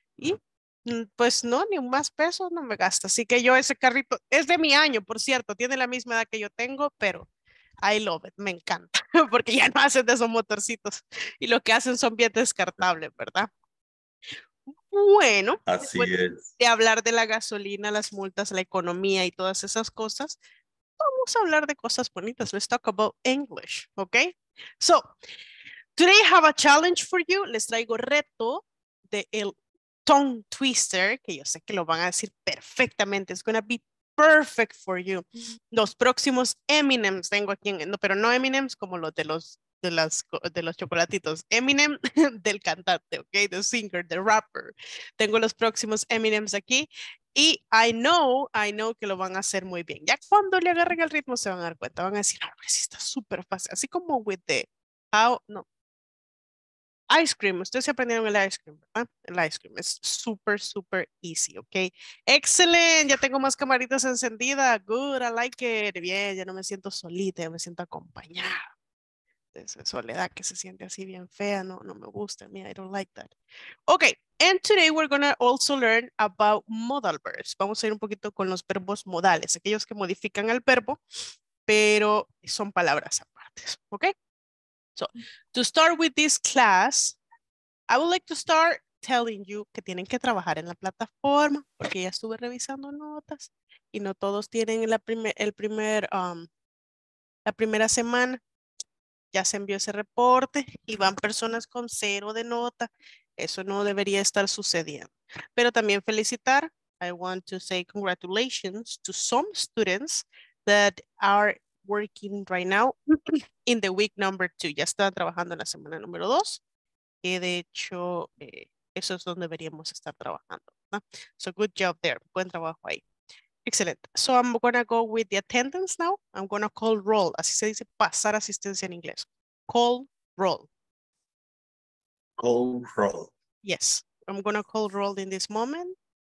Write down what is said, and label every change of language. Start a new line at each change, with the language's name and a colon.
Spanish: Y pues no, ni un más peso no me gasta. Así que yo ese carrito, es de mi año, por cierto, tiene la misma edad que yo tengo, pero
English: I love it,
Spanish: me encanta. Porque ya no hacen de esos motorcitos. Y lo que hacen son bien descartables, ¿verdad? Bueno, así es. De hablar de la gasolina, las multas, la economía y todas esas cosas, vamos a hablar de cosas bonitas.
English: Let's talk about English, ¿ok? So, today I have a challenge for you.
Spanish: Les traigo reto de el tongue twister, que yo sé que lo van a decir perfectamente.
English: It's gonna be perfect for you.
Spanish: Los próximos Eminems tengo aquí, pero no Eminems como los de los chocolatitos. Eminem del cantante,
English: ok? The singer, the rapper.
Spanish: Tengo los próximos Eminems aquí. Y
English: I know
Spanish: que lo van a hacer muy bien. Ya cuando le agarren el ritmo se van a dar cuenta. Van a decir, no, pero sí está súper fácil. Así como with the how, no. Ice cream. Ustedes aprendieron el ice cream, ¿verdad? El ice cream es súper, súper easy, ¿ok? ¡Excelente! Ya tengo más camaritas encendidas.
English: Good, I like it.
Spanish: Bien, ya no me siento solita, ya me siento acompañada. Esa soledad que se siente así bien fea, no, no me gusta.
English: Me, I don't like that. Ok, and today we're going to also learn about modal verbs.
Spanish: Vamos a ir un poquito con los verbos modales, aquellos que modifican el verbo, pero son palabras aparte, ¿ok?
English: So, to start with this class, I would like to start telling you
Spanish: que tienen que trabajar en la plataforma, porque ya estuve revisando notas y no todos tienen la primera semana. Ya se envió ese reporte y van personas con cero de nota. Eso no debería estar sucediendo. Pero también felicitar,
English: I want to say congratulations to some students that are working right now in the week number two.
Spanish: Ya están trabajando en la semana número dos. Y de hecho, eso es donde deberíamos estar trabajando, ¿no?
English: So good job there.
Spanish: Buen trabajo ahí.
English: Excellent. So I'm going to go with the attendance now. I'm going to call roll.
Spanish: Así se dice pasar asistencia en inglés.
English: Call roll. Call roll. Yes. I'm going to call roll in this moment.